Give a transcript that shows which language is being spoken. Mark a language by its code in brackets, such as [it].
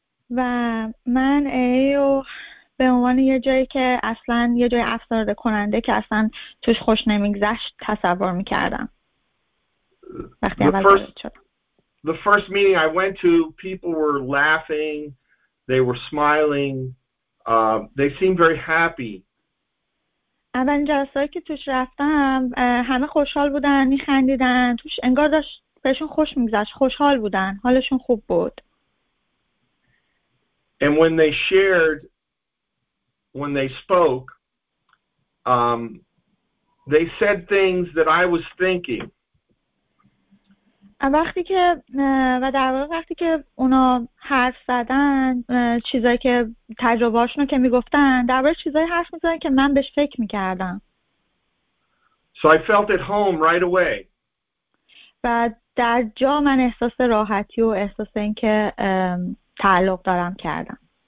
[fa] و من AA به عنوان یه جایی که اصلا یه جای افسرده کننده که اصلا توش خوش نمیگذشت تصور میکردم. وقتی اول وارد شدم. [en] The first meeting I went to, people were laughing, they were smiling, they seemed very happy. [fa] اولین جلسه‌ای که توش رفتم همه خوشحال بودن، میخندیدن، توش انگار داشت بهشون خوش میگذشت، خوشحال بودن، حالشون خوب بود. [en] And when they shared, when they spoke, they said things that I was thinking. [fa] وقتی که و در واقع وقتی که اونا حرف زدن، چیزایی که تجربه‌هاشون رو که میگفتن، در واقع چیزایی حرف میزدن که من بهش فکر میکردم. [en] So I felt at home right away. [fa] و در جا من احساس راحتی و احساس این که تعلق دارم کردم.